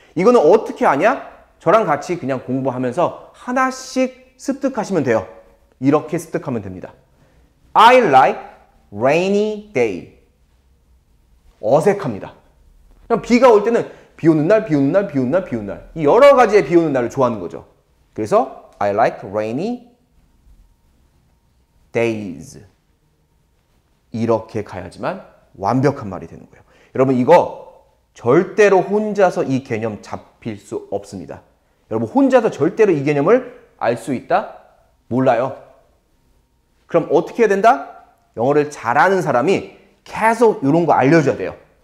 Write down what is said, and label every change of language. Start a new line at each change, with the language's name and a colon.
Korean: 이거는 어떻게 아냐? 저랑 같이 그냥 공부하면서 하나씩 습득하시면 돼요. 이렇게 습득하면 됩니다.
English: I like rainy day.
Korean: 어색합니다. 그냥 비가 올 때는 비 오는 날, 비 오는 날, 비 오는 날, 비 오는 날. 이 여러 가지의 비 오는 날을 좋아하는 거죠. 그래서
English: I like rainy days.
Korean: 이렇게 가야지만 완벽한 말이 되는 거예요. 여러분 이거 절대로 혼자서 이 개념 잡힐 수 없습니다. 여러분 혼자서 절대로 이 개념을 알 수 있다? 몰라요. 그럼 어떻게 해야 된다? 영어를 잘하는 사람이 계속 이런 거 알려줘야 돼요.